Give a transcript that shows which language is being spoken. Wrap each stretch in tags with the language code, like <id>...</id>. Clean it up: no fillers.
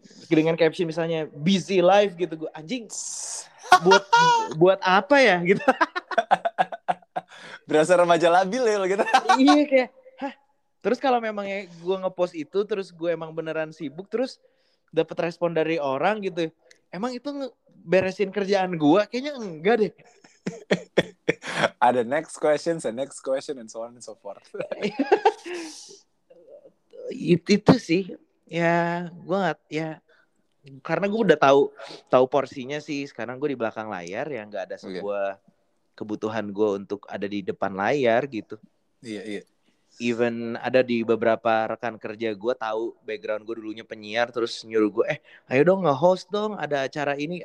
<id>Dengan caption misalnya, busy life gitu. Gue, anjing, buat apa ya? Gitu. Berasa remaja labil ya lo gitu. Iya kayak, hah? Terus kalau memangnya gue ngepost itu, terus gue emang beneran sibuk, terus dapat respon dari orang gitu, emang itu beresin kerjaan gue? Kayaknya enggak deh. Ada</id> <en>next questions and next question and so on and so forth.</en> <id>itu sih ya gue nggak ya, karena gue udah tahu porsinya sih. Sekarang gue di belakang layar ya, nggak ada sebuah kebutuhan gue untuk ada di depan layar gitu. Iya. even ada di beberapa rekan kerja gue tahu background gue dulunya penyiar, terus nyuruh gue, ayo dong nge-host dong ada acara ini.</id>